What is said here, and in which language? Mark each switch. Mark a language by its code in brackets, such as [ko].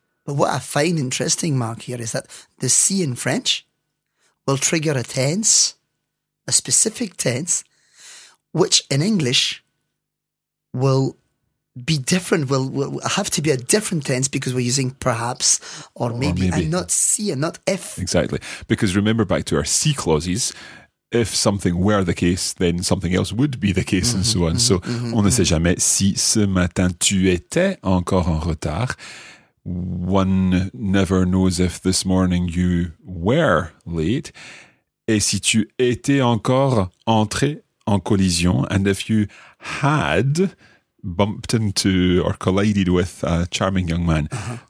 [en] But what I find interesting, Mark, here is that the C in French will trigger a tense, a specific tense, which in English will be different, will have to be a different tense because we're using perhaps or maybe and not see and not if. Exactly. Because remember back to our see clauses, if something were the case, then something else would be the case and so on. [fr] Mm-hmm. So on ne sait jamais si ce matin tu étais encore en retard. [en] One never knows if this morning you were late. [fr] Et si tu étais encore entré en collision, [en] and if you had bumped into or collided with a charming young man. Uh-huh.